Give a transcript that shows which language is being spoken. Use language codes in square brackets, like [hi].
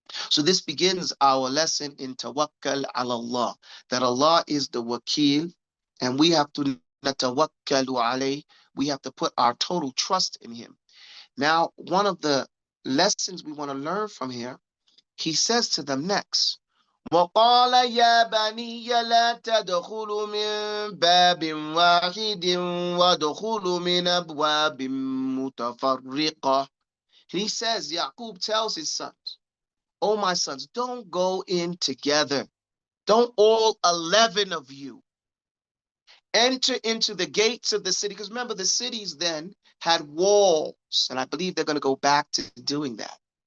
[en] So this begins our lesson in tawakkal ala Allah, that Allah is the wakil, and we have to natawakkalu alayh. We have to put our total trust in him. Now, one of the lessons we want to learn from here, he says to them next, [ar] وقال يا بني لا تدخلوا من باب واحد وادخلوا من أبواب متفرقة. [en] He says, Yaqub tells his sons, Oh my sons, don't go in together. Don't all 11 of you enter into the gates of the city. Because remember, the cities then had walls. And I believe they're going to go back to doing that.